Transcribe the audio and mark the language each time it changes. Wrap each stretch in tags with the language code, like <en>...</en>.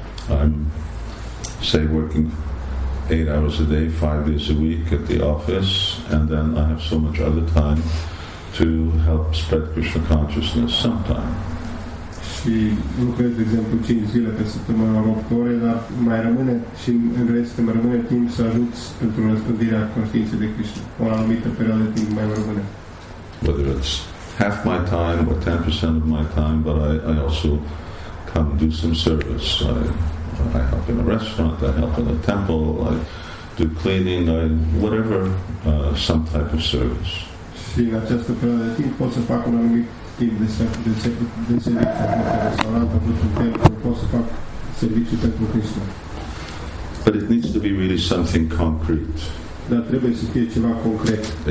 <en>I'm say working 8 hours a day, 5 days a week at the office, and then I have so much other time to help spread Krishna consciousness sometime.</en> <ro>Și lucrez, de exemplu, 5 zile pe săptămână, 8 ore, dar mai rămâne și în rest mai rămâne timp să ajut pentru răspândirea conștiinței de Krishna. O anumită perioadă de timp mai rămâne.</ro> <en>Whether it's half my time or 10% of my time, but I also come do some service. I help in a restaurant, I help in a temple, I do cleaning, I whatever, some type of service.</en> <ro>Și în această perioadă de timp pot să fac un anumit schimb de serviciu pentru restaurant, pentru hotel, că pot să fac serviciu pentru Krishna.</ro> <en>But it needs to be really something concrete.</en> <ro>Dar trebuie să fie ceva concret.</ro>